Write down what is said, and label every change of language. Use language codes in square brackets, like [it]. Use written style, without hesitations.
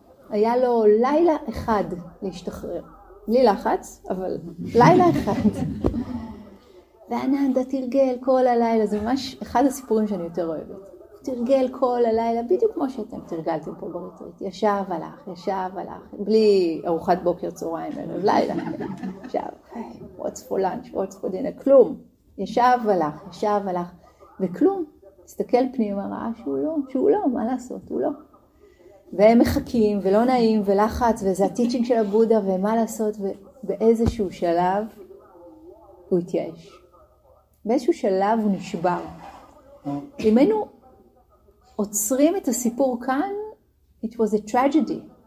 [he] היה לו לילה אחד להשתחרר. בלי לחץ, אבל לילה אחד. ואננדה תרגל כל הלילה, זה ממש אחד הסיפורים שאני יותר אוהבת. תרגל כל הלילה, בדיוק כמו שאתם תרגלתם פה בריטריט. ישב הלך, ישב הלך, בלי ארוחת בוקר צהריים, ערב לילה. ישב, [en] what's for lunch, what's for dinner, [he] כלום. ישב הלך, ישב הלך, וכלום. תסתכל פנימה, ראה שהוא לא, שהוא לא, מה לעשות, הוא לא. והם מחכים, ולא נעים, ולחץ, וזה הטיצ'ינג של הבודה, ומה לעשות, ובאיזשהו שלב הוא התייאש. באיזשהו שלב הוא נשבר. אם היינו עוצרים את הסיפור כאן, [en] it was a tragedy.